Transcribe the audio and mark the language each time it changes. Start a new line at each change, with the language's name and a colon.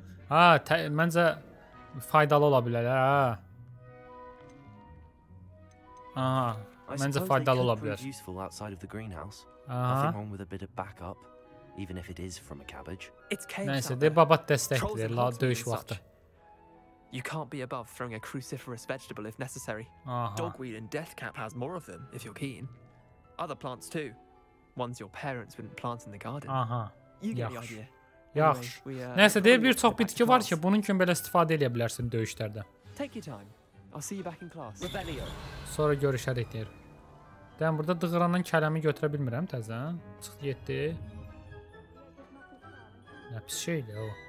Azerbaijani: Ha, məncə faydalı ola bilər ha. Aha, məncə faydalı ola bilər.
English: Useful outside of the greenhouse. Nothing wrong with a bit of backup, even if it is from a cabbage.
Azerbaijani: Nəysə, de babat dəstəkdir la döyüş vaxtı.
English: You can't be above throwing a cruciferous vegetable if necessary. Aha. Dogweed and deathcap has more of them if you're keen. Other plants too. Ones your parents wouldn't plant in the garden. Aha. You get the idea. Yaxşı.
Azerbaijani: Nəsə, deyə bir çox bitki var ki, bunun kimi belə istifadə edə bilərsin döyüşlərdə.
English: Take your time. I'll see you back in class. Rebellion.
Azerbaijani: Sonra görüşərik deyir. Dən burada dığıranın kələmi götürə bilmirəm təzən. Çıxdı, getdi. Nə pis şeydir o.